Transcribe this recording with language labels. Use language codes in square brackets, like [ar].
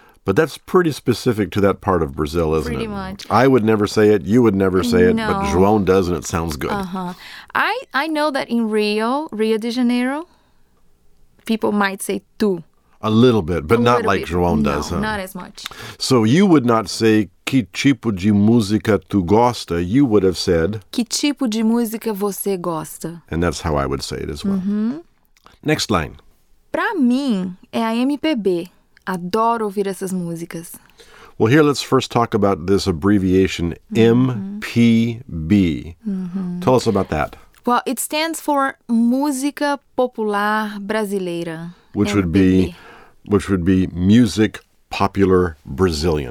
[en] But that's pretty specific to that part of Brazil, isn't pretty it? Pretty much. I would never say it. You would never say it. But João does, and it sounds good. Uh-huh. I know that in Rio de Janeiro, people might say tu. A little bit, but not like João does, huh? No, not as much. So you would not say, [pt] que tipo de música tu gosta? [en] You would have said, [pt] que tipo de música você gosta? [en] And that's how I would say it as well. Mm-hmm. Next line. [pt] Pra mim, é a MPB. Adoro ouvir essas músicas. [en] Well, here let's first talk about this abbreviation MPB. Tell us about that. Well, it stands for Música Popular Brasileira. Which would be Music Popular Brazilian.